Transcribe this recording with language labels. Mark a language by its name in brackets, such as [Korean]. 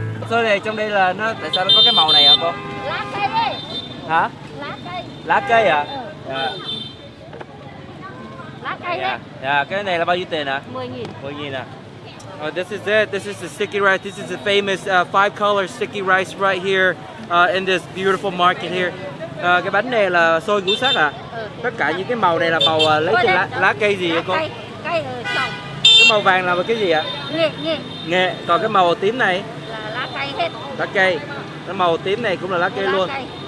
[Vietnamese] Sao đây trong đây là nó tại sao nó có cái màu này hả cô? Lá cây đi. Hả? Lá cây. Lá cây à? Lá cây đi. Dạ, cái này là bao nhiêu tiền ạ? 10.000. [English] 10.000 à. Oh, this is it. This is the sticky rice. This is the famous five color sticky rice right here. In this beautiful market here. [Vietnamese] Cái bánh này là xôi ngũ sắc à? Ừ. Tất cả những cái màu này là màu lấy từ lá cây gì vậy cô? Cây trồng. Cái màu vàng là cái gì ạ? Nghệ. Còn cái màu tím này? Là lá cây hết. Lá cây. Cái màu tím này cũng là lá cây luôn. Lá